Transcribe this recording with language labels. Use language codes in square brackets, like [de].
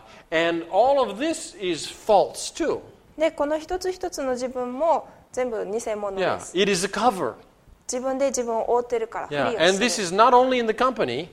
[en] And all of this is false too. [ja] で、この一つ一つの自分も全部偽物です。 [en] Yeah. It is a cover. [ja] 自分で自分を覆ってるから、フリーをしてる。 [en] And this is not only in the company.